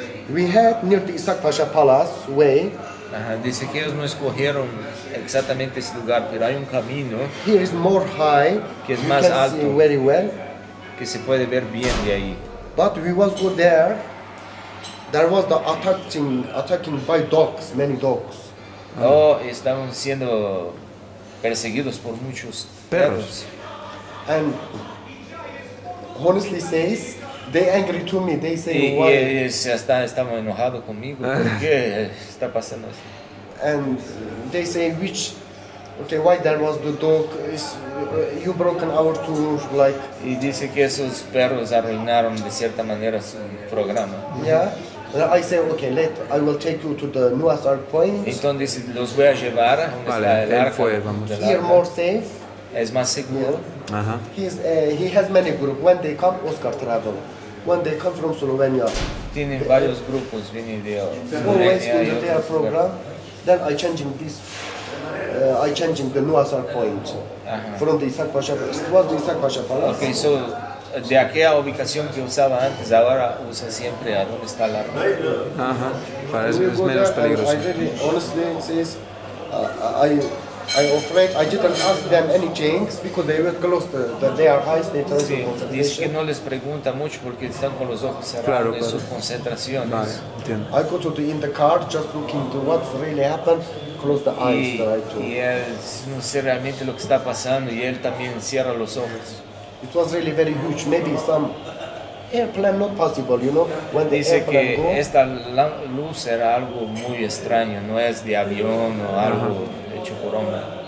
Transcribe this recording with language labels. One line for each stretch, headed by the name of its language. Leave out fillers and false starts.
English: We had near the Isaac Pasha Palace way.
Spanish: Dice que ellos no escogieron exactamente ese lugar, pero hay un camino.
English: Here is more high,
Spanish: que es más alto,
English: very well,
Spanish: que se puede ver bien de ahí.
English: But we was go there. There was the attacking by dogs, many dogs.
Spanish: Oh, estaban siendo perseguidos por muchos perros.
English: And honestly says, they angry to me. They say,
Spanish: y, why? Estaban enojados conmigo. ¿Por qué está pasando así?
English: And they say, which, okay, why there was the dog? Is you broken our tour? Like,
Spanish: y dice que esos perros arruinaron de cierta manera su programa.
English: Yeah. I say okay, I will take you to the nuestra point.
Spanish: Entonces los voy a llevar. Vale, él fue, vamos.
English: Here more safe.
Spanish: Es más seguro.
English: Yeah. Uh-huh. He has many group. When they come, Oscar travel. When they come from Slovenia.
Spanish: Tiene varios grupos, viene de.
English: Always in their program. Then I changing this. I changing the nuestra point. From the Isaac Pasha. It was the Isaac Pasha Palace. Okay, so.
Spanish: De aquella ubicación que usaba antes, ahora usa siempre a donde está la ropa. Ajá, para eso es menos peligroso.
English: Honestly, I'm afraid I didn't ask them any changes because they were close to their eyes.
Spanish: Sí, dice que no les pregunta mucho porque están con los ojos cerrados, claro, en claro. Sus concentraciones. Vale, entiendo.
English: I go to the in the car just looking to what really happened, close the eyes.
Spanish: Y él no sé realmente lo que está pasando y él también cierra los ojos.
English: It was really very huge. Maybe some airplane not possible, you know. When the
Spanish: dice que go, esta luz era algo muy extraño. No es de avión o algo hecho por hombre.